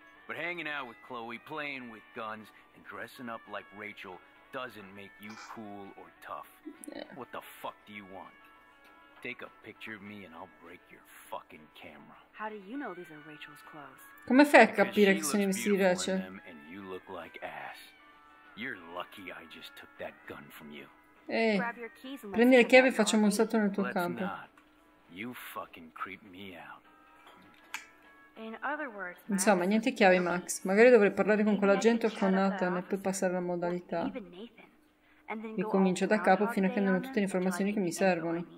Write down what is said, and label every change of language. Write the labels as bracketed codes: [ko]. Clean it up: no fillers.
[en] But hanging out with Chloe, playing with guns, and dressing up like Rachel doesn't make you cool or tough. Yeah. What the fuck do you want? Take a picture of me and I'll break your fucking camera. How do you know these are Rachel's clothes? [it] Come fai a capire che sono i vestiti di Rachel? [en] And you look like ass. You're lucky I just took that gun from you. [it] Prendi le chiavi e facciamo un salto nel tuo campo. [en] You fucking creep me out. [it] Insomma, niente chiavi, Max. Magari dovrei parlare con quell'agente o con Nathan e poi passare alla modalità. Mi comincio da capo fino a che non ho tutte le informazioni che mi servono.